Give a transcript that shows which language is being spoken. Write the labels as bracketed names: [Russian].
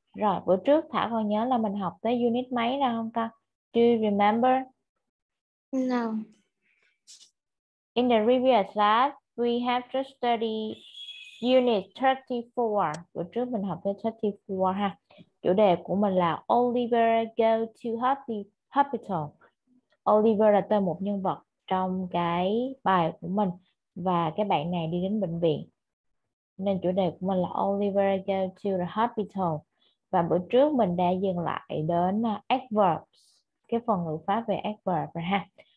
[Vietnamese] Rồi, bữa trước Thảo còn nhớ là mình học tới unit mấy nào không ta? [English] Do you No. remember? In the previous class, we have to study Unit 34. [Vietnamese] Bữa trước mình học tới 34 ha. Chủ đề của mình là [English] Oliver go to hospital. [Vietnamese] Oliver là tên một nhân vật trong cái bài của mình và cái bạn này đi đến bệnh viện. Nên chủ đề của mình là [English] Oliver go to the hospital. [Vietnamese] Và bữa trước mình đã dừng lại đến adverbs, cái phần ngữ pháp về adverb rồi ha.